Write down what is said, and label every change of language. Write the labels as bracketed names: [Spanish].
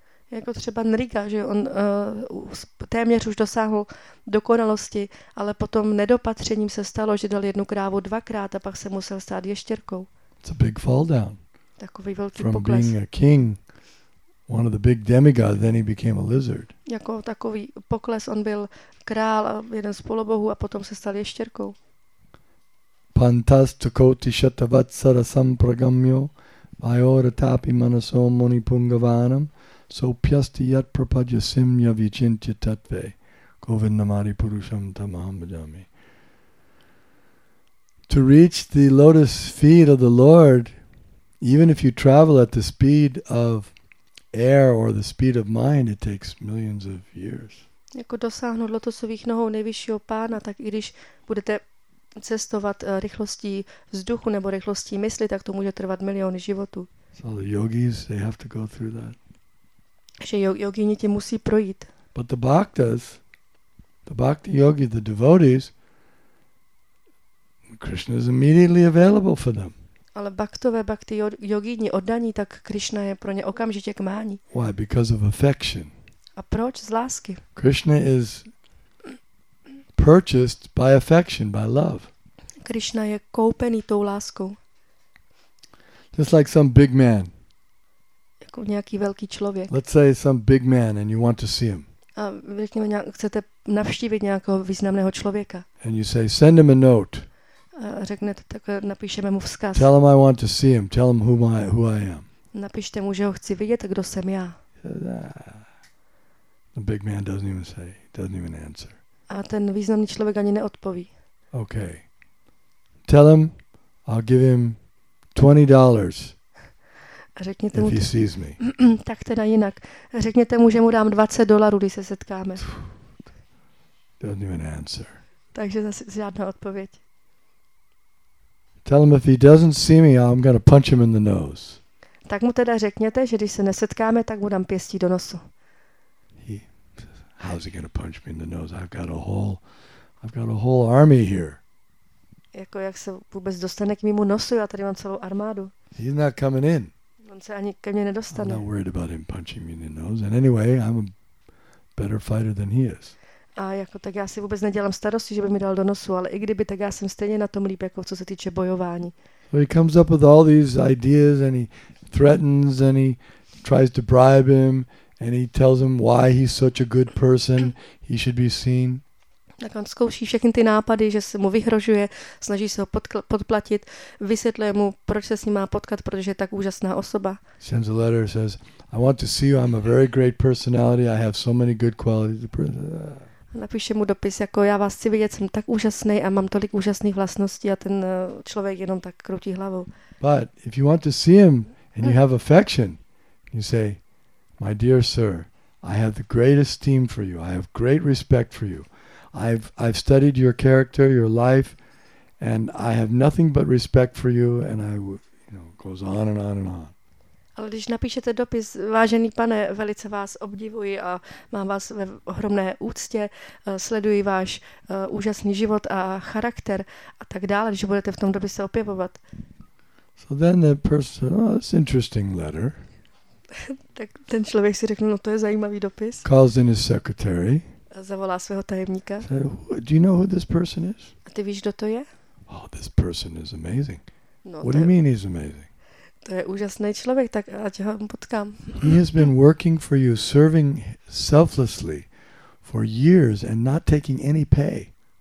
[Czech] Jako třeba Nriga, že on téměř už dosáhl dokonalosti, ale potom nedopatřením se stalo, že dal jednu krávu dvakrát a pak se musel stát ještěrkou. [English] It's a big fall down. [Czech] Takový velký pokles. [English] From being a king, one of the big demigods, then he became a lizard. [Czech] Jako takový pokles, on byl král a jeden z polobohů a potom se stal ještěrkou. [Sanskrit] Pantastu koti shatavatsara sampragamyo vayoratapi manaso munipungavanam soupyasti yat prapadya simya vichintya tatve govindamari purusham tamahamajami. [English] To reach the lotus feet of the Lord, even if you travel at the speed of air or the speed of mind, it takes millions of years. [Czech] Jako dosáhnout lotosových nohou nejvyššího pána, tak i když budete cestovat rychlostí vzduchu nebo rychlostí mysli, tak to může trvat miliony životů. [English] So the yogis, they have to go through that. [Czech] Že jogíni tě musí projít. [English] But the bhaktas, the bhakti yogi, the devotees, Krishna is immediately available for them. [Czech] Ale baktové, bakti jogíni oddaní, tak Krishna je pro ně okamžitě k mání. [English] Why? Because of affection. [Czech] A proč? Z lásky. [English] Krishna is purchased by affection, by love. [Czech] Krishna je koupený tou láskou. [English] Just like some big man. [Czech] Jako nějaký velký člověk. [English] Let's say some big man and you want to see him. [Czech] A řekněme, chcete navštívit nějakého významného člověka. [English] And you say, send him a note. [Czech] Řeknete, tak napíšeme mu vzkaz. [English] Tell him I want to see him. Tell him who I am. [Czech] Napište mu, že ho chci vidět, kdo jsem já. [English] The big man doesn't even say, doesn't even answer. [Czech] A ten významný člověk ani neodpoví. [English] Okay. Tell him I'll give him $20. [Czech] Řekněte mu, [English] if he sees me. [Czech] Tak teda jinak. Řekněte mu, že mu dám $20, když se setkáme. [English] Doesn't even answer. [Czech] Takže zase žádná odpověď. [English] Tell him if he doesn't see me, I'm going to punch him in the nose. [Czech] Tak mu teda řekněte, že když se nesetkáme, tak mu dám pěstí do nosu. [English] How how's he going to punch me in the nose? I've got a whole army here. [Czech] Jako jak se vůbec dostane k mému nosu? Já tady mám celou armádu. [English] He's not coming in. [Czech] On se ani ke mně nedostane. [English] I'm not worried about him punching me in the nose. And anyway, I'm a better fighter than he is. [Czech] A jako tak já si vůbec nedělám starosti, že by mi dal do nosu, ale i kdyby, tak já jsem stejně na tom líp, jako co se týče bojování. [English] So he comes up with all these ideas and he threatens and he tries to bribe him and he tells him why he's such a good person, he should be seen. [Czech] Tak on zkouší všechny ty nápady, že se mu vyhrožuje, snaží se ho podplatit, vysvětluje mu, proč se s ním má potkat, protože je tak úžasná osoba. [English] Sends a letter, says, I want to see you, I'm a very great personality, I have so many good qualities. [Czech] Napíše mu dopis, jako já vás chci vidět, jsem tak úžasný a mám tolik úžasných vlastností a ten člověk jenom tak krutí hlavou. [English] But if you want to see him and you have affection, you say, my dear sir, I have the greatest esteem for you, I have great respect for you. I've studied your character, your life, and I have nothing but respect for you, and I would, you know, goes on and on and on. [Czech] Ale když napíšete dopis, vážený pane, velice vás obdivuji a mám vás ve ohromné úctě, sleduji váš úžasný život a charakter a tak dále, když budete v tom dopise opěvovat. [English] So then the person, oh, that's interesting letter. [Czech] Tak ten člověk si řekne, no to je zajímavý dopis. [English] Calls in his secretary. [Czech] Zavolá svého tajemníka. [English] Do you know who this person is? [Czech] A ty víš, kdo to je? [English] Oh, this person is amazing. No, what do you mean he's amazing? [Czech] To je úžasný člověk, tak ať ho potkám. [English] He has been working for you, serving selflessly for years and not taking any pay.